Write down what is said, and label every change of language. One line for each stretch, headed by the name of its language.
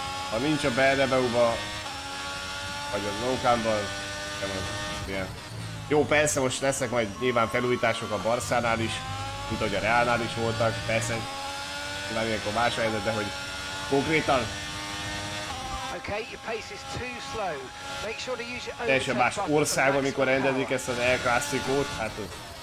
Hungarian: Ha nincs a Bernabeu-ba... Vagy a Nokán-ban... Ilyen. Jó, persze most lesznek majd nyilván felújítások a Barszánál is. Mint ahogy a Reálnál is voltak. Persze... Nyilván ilyenkor más helyzet, de hogy... Konkrétan...
English: okay, your pace is too slow. Make sure to use your own.
Hungarian: És a más ország, amikor rendezik ezt az El Clásicót, hát ez.